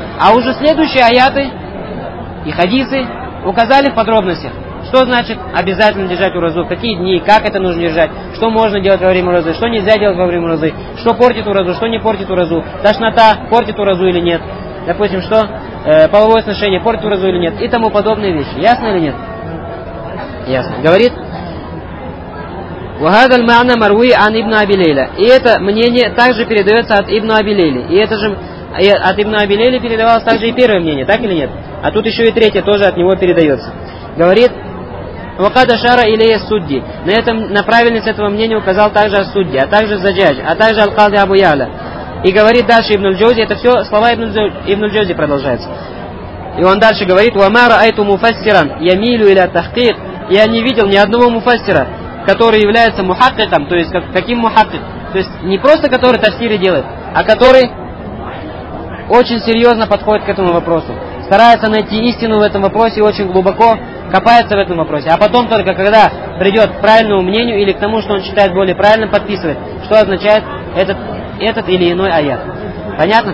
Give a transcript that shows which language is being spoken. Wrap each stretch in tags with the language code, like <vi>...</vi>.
<ru>А уже следующие аяты и хадисы указали в подробностях, что значит обязательно держать уразу, какие дни, как это нужно держать, что можно делать во время уразы, что нельзя делать во время уразы, что портит уразу, что не портит уразу, тошнота портит уразу или нет, допустим, что половое сношение портит уразу или нет, и тому подобные вещи. Ясно или нет? Ясно. Говорит...</ru> <ar>وهذا المعنى مروي عن ابن أبي ليلى.</ar> <ru>И это мнение также передается от ابن أبي ليلى. И это же от ابن أبي ليلى передавалось также и первое мнение, так или нет? А тут еще и третье тоже от него передается. Говорит:</ru> <ar>وقد أشار إليه السدي.</ar> <ru>На правильность этого мнения указал также ас-Судди, а также Заджадж, а также аль-Кади Абу Яля. И говорит дальше ибн аль-Джаузи, это все слова ибн аль-Джаузи продолжается. И он дальше говорит:</ru> <ar>وما رأيت مفسرا يميل إلى التحقيق.</ar> <ru>Я не видел ни одного муфассира, который является мухаккиком, то есть каким мухаккик? То есть не просто который тафсиры делает, а который очень серьезно подходит к этому вопросу. Старается найти истину в этом вопросе и очень глубоко копается в этом вопросе. А потом только когда придет к правильному мнению или к тому, что он считает более правильным, подписывает, что означает этот или иной аят. Понятно?</ru>